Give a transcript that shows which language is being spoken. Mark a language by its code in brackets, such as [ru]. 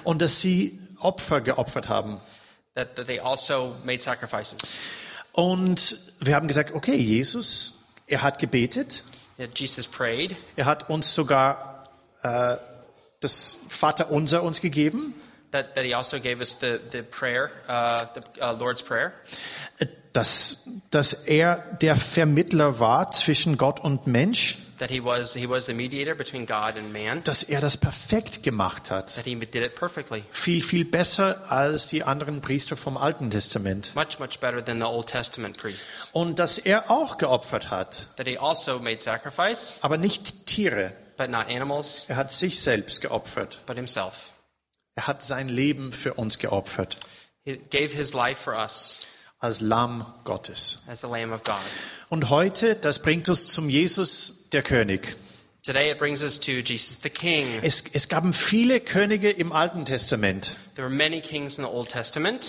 [de] Und dass sie Opfer geopfert haben. [en] That they also made sacrifices. [de] Und wir haben gesagt, okay, Jesus, hat gebetet. [en] Yeah, Jesus prayed. [de] Hat uns sogar das Vater unser uns gegeben. [en] That he also gave us the prayer, the Lord's prayer. [de] Dass der Vermittler war zwischen Gott und Mensch. [en] That he was the mediator between God and man. [de] Dass das perfekt gemacht hat. [en] That he did it perfectly. [de] Viel, viel besser als die anderen Priester vom Alten Testament. [en] Much, much better than the Old Testament priests. [de] Und dass auch geopfert hat. [en] That he also made sacrifice. [de] Aber nicht Tiere. [en] But not animals. [de] Hat sich selbst geopfert. [en] But himself. [de] Hat sein Leben für uns geopfert. [en] He gave his life for us. [de] Als Lamm Gottes. [en] As the Lamb of God. [de] Und heute, das bringt uns zum Jesus, der König. [en] Today it brings us to Jesus, the King. [de] Es gab viele Könige im Alten Testament. [en] There were many kings in the Old Testament.